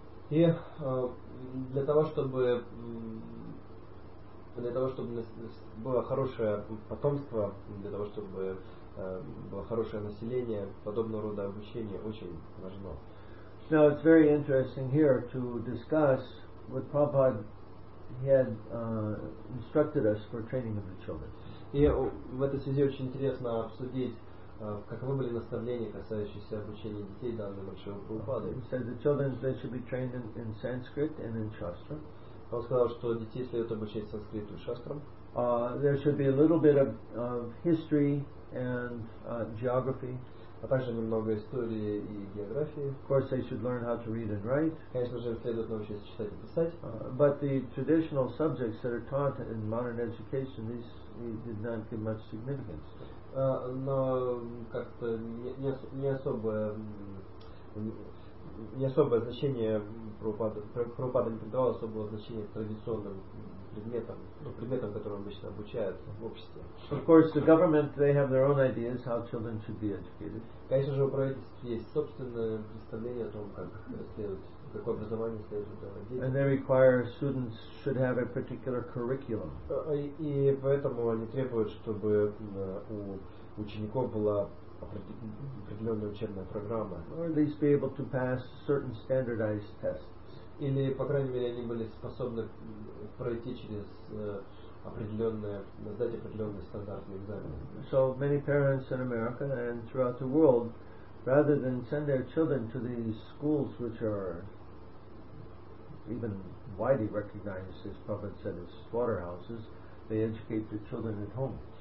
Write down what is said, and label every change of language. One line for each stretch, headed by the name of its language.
Russian: И для того чтобы было хорошее потомство, для того чтобы было хорошее население, подобного рода обучение очень важно.
English: Now it's very interesting here to discuss what Prabhupada had instructed us for training of the children.
Russian: И в этой связи очень интересно обсудить, каковы были наставления, касающиеся обучения детей данного большого Прабхупады.
English: He said the children they should be trained in Sanskrit and in Shastra.
Russian: Он сказал, что детей следует обучать санскриту и шастрам.
English: There should be a little bit of history and geography.
Russian: А также немного истории и географии.
English: Of course, they should learn how to read and write.
Russian: Конечно же, следует научиться читать и писать.
English: But the traditional subjects that are taught in modern education, these did not give much significance.
Russian: Но как-то не особое значение Прабхупада не придавал особого значения традиционным предметам, которым обычно обучают в обществе.
English: Of course, the government, they have their own ideas how children should be educated.
Russian: Конечно же, у правительства есть собственное представление о том, какое образование следует давать детям.
English: And they require students should have a particular curriculum.
Russian: И поэтому они требуют, чтобы у учеников была определенная учебная программа.
English: Or at least be able to pass certain standardized tests.
Russian: Или, по крайней мере, они были способны пройти через сдать определенные стандартные экзамены.
English: So many parents in America and throughout the world, rather than send their children to these schools which are even widely recognized, as Prabhupada said, as slaughterhouses, they educate their children at home.